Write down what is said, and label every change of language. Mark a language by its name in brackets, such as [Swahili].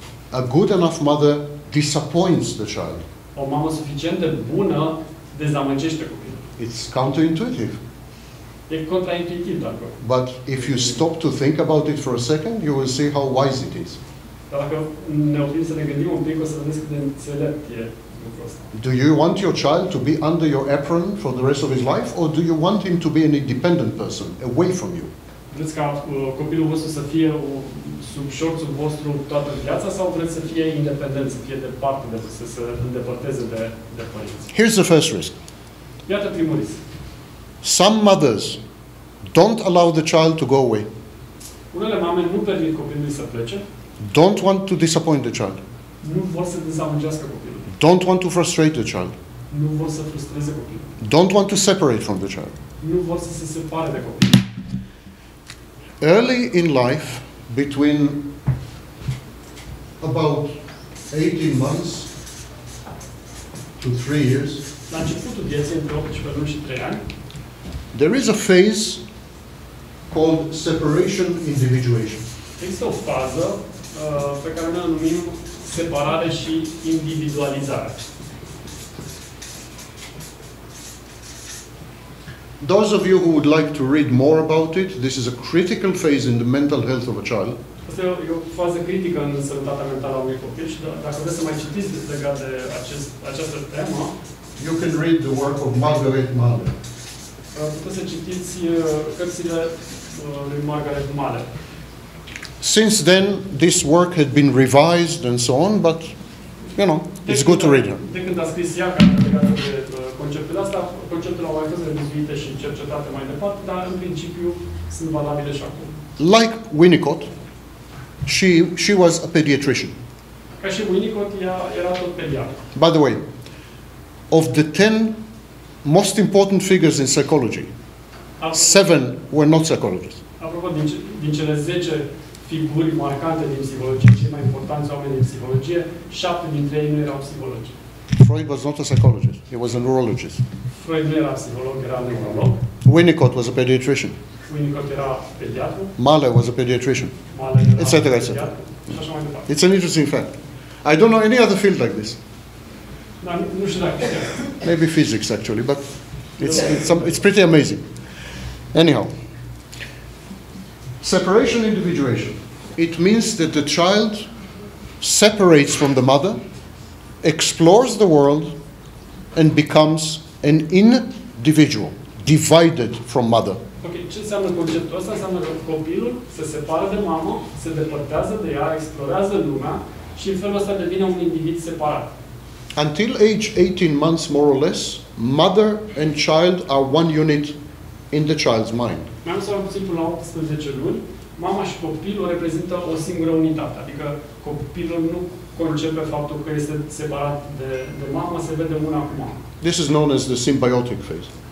[English] A good enough mother disappoints the child. [Romanian] O mamă suficient de bună dezamăgește copilul. [English] It's counterintuitive. [Romanian] E contraintuitiv, dacă. [English] But if you stop to think about it for a second, you will see how wise it is. [Romanian] Dacă ne oprim să ne gândim un pic, o să vedem cât de înțelept e lucrul ăsta. [English] Do you want your child to be under your apron for the rest of his life, or do you want him to be an independent person, away from you? [Romanian] Vreți ca copilul vostru să fie sub șorțul vostru toată viața, sau vreți să fie independent, să fie departe, de, să se îndepărteze de, de părinți? [English] Here's the first risk. [Romanian] Iată primul risc. [English] Some mothers don't allow the child to go away. [Romanian] Unele mame nu permit copilului să plece. [English] Don't want to disappoint the child. [Romanian] Nu vor să dezamăgească copilul. [English] Don't want to frustrate the child. [Romanian] Nu vor să frustreze copilul. [English] Don't want to separate from the child. [Romanian] Nu vor să se separe de copil. [English] Early in life, between about 18 months to 3 years, [Romanian] la începutul vieții, între 18 luni și 3 ani, [English] there is a phase called separation individuation. [Romanian] Există o fază pe care noi o numim separare și individualizare. [English] Those of you who would like to read more about it, this is a critical phase in the mental health of a child. [Romanian] Asta e o fază critică în sănătatea mentală a unui copil și dacă vreți să mai citiți legat de această temă, [English] you can read the work of Margaret Mahler. [Romanian] Puteți să citiți cărțile lui Margaret Mahler. [English] Since then, this work had been revised and so on, but, you know, it's good to read it. [Romanian] De când a scris ea cartea legată de conceptele astea, conceptele au mai fost revizuite și cercetate mai departe, dar în principiu sunt valabile și acum. [English] Like Winnicott, she was a pediatrician. [Romanian] Ca și Winnicott, ea era tot pediatră. [English] By the way, of the 10 most important figures in psychology, 7 were not psychologists. [Romanian] Apropo, din cele 10 figuri marcante din psihologie, cei mai importanți oameni din psihologie, 7 dintre ei nu erau psihologi. [English] Freud was not a psychologist, he was a neurologist. [Romanian] Freud nu era psiholog, era neurolog. [English] Winnicott was a pediatrician. [Romanian] Winnicott era pediatru. [English] Mahler was a pediatrician. [Romanian] Mahler era pediatru. Și așa mai departe. [English] It's an interesting fact. I don't know any other field like this. [Romanian] Nu știu dacă. [English] Maybe physics actually, but it's pretty amazing. Anyhow. Separation individuation. It means that the child separates from the mother, explores the world, and becomes an individual, divided from mother. [Romanian] Okay, ce înseamnă conceptul ăsta? Înseamnă că copilul se separă de mamă, se depărtează de ea, explorează lumea și în felul ăsta devine un individ separat. [English] Until age 18 months, more or less, mother and child are one unit in the child's mind. [Romanian] Mai mult sau puțin, până la 18 luni, mama și copilul reprezintă o singură unitate. Adică copilul nu concepe faptul că este separat de mamă, se vede una cu mamă. [English] This is known as the symbiotic phase.